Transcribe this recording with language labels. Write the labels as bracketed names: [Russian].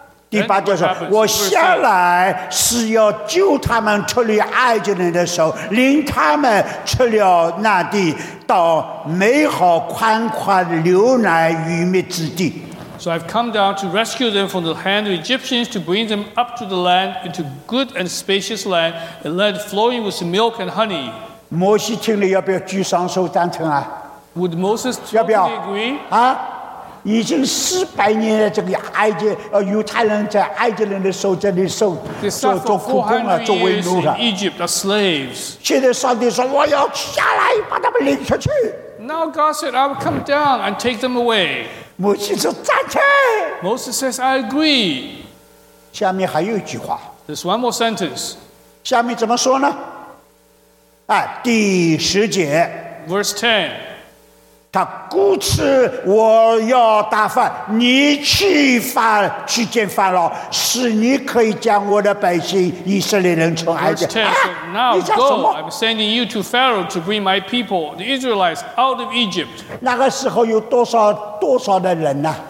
[Chinese] 第八节说，我下来是要救他们出离埃及人的手，领他们出了那地，到美好宽宽的流奶鱼蜜之地。 [English] So I've come down to rescue them from the hand of Egyptians, to bring them up to the land, into good and spacious land, a land flowing with milk and honey. [Chinese] 摩西听了要不要举双手赞成啊？ [English] Would Moses totally agree? 啊？ [Chinese] 已经四百年的这个埃及犹太人在埃及人的手这里受做苦工了，做为奴了。 [English] Egypt, the slaves. [Chinese] 现在上帝说，我要下来把他们领出去。 [English] Now God said, I will come down and take them away. [Chinese] 摩西说暂停。 [English] Moses says, I agree. [Chinese] 下面还有一句话。 [English] There's one more sentence. [Chinese] 下面怎么说呢？哎，第十节。 [English] Verse 10. [Chinese] 他故此我要打发你去发去见法老，使你可以将我的百姓以色列人从埃及。 [English] Verse 10, [Chinese] 你讲什么？ [English] I'm sending you to Pharaoh to bring my people, the Israelites, out of Egypt. [Chinese] 那个时候有多少多少的人呢？